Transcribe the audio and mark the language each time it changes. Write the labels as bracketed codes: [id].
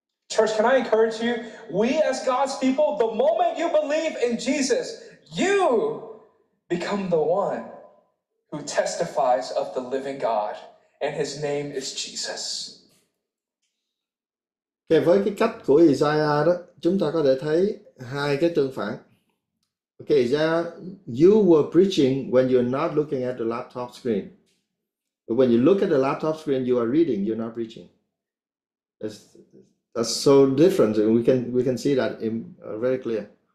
[en] Church, can I encourage you? We as God's people, the moment you believe in Jesus, you become the one who testifies of the living God, and his name is Jesus. [vi] Okay, với cái cách của Isaiah đó, chúng ta có thể thấy hai cái tương phản. [en] Okay, Isaiah, you were preaching when you're not looking at the laptop screen. But when you look at the laptop screen, you are reading, you're not preaching. That's so different. We can see that in very clear.